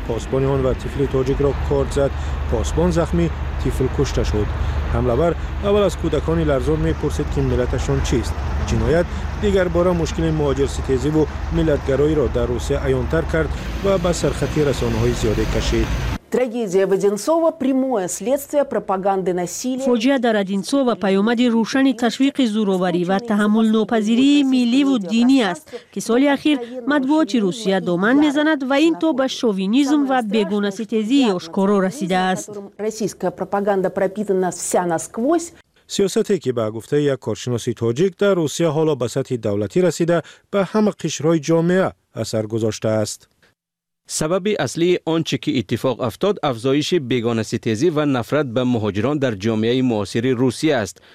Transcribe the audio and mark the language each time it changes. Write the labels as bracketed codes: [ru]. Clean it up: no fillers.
[fa] پاسبان آن و طفل تاجیک را کارد زد. پاسبان زخمی، طفل کشته شد. حملهور اول از کودکان لرزان می پرسید که ملتشان چیست. جنایت دیگر باره مشکل مهاجر ستیزی و ملتگرایی را در روسیه عیان‌تر کرد و به سرخطی رسانه‌های زیاده کشید. [ru] Трагедия в Одинцово – прямое следствие пропаганды насилия. [tg] Фоджия дар Одинцово паёмади рушани ташвиқи зуровари ва таҳаммулнопазирии милли ва динӣ аст, ки соли ахир матбуоти Русия доман мезанад ва ин то ба шовинизм ва бегонаситези ошкоро расидааст. [ru] Российская пропаганда пропитана вся насквозь. [fa] سیاستی که به گفته یک کارشناسی تاجیک در روسیه حالا به سطح دولتی رسیده به همه قشرهای جامعه اثر گذاشته است. سبب اصلی آنچه که اتفاق افتاد افزایش بیگانه ستیزی و نفرت به مهاجران در جامعه معاصری روسیه است.